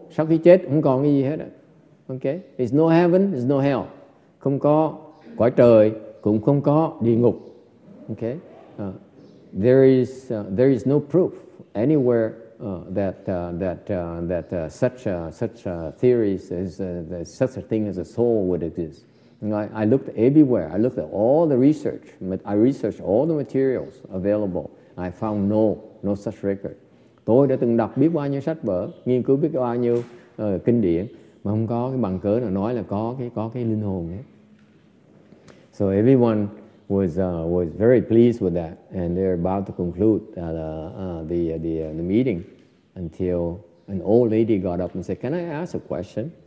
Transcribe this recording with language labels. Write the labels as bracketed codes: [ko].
[vi] Sau khi chết không còn cái gì hết. [en] Okay, it's no heaven, it's no hell. [vi] Không có cõi trời, cũng không có địa ngục. Okay. [en] There is no proof anywhere such a thing as a soul would exist. I looked everywhere. I looked at all the research. I researched all the materials available. I found no such record. [vi] Tôi đã từng đọc biết bao nhiêu sách vở, nghiên cứu biết bao nhiêu kinh điển, mà không có cái bằng cớ nào nói là có cái linh hồn ấy. [en] So everyone was very pleased with that, and they're about to conclude the meeting, until an old lady got up and said, "Can I ask a question?"